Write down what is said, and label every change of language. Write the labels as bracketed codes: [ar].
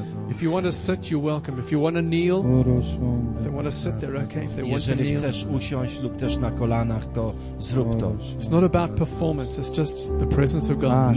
[en] If you want to sit, you're welcome. If you want to kneel, if they want to sit, they're okay. If they want to kneel, [pl] chcesz usiąść lub też na kolanach, to zrób to. [en] It's not about performance. It's just the presence of God.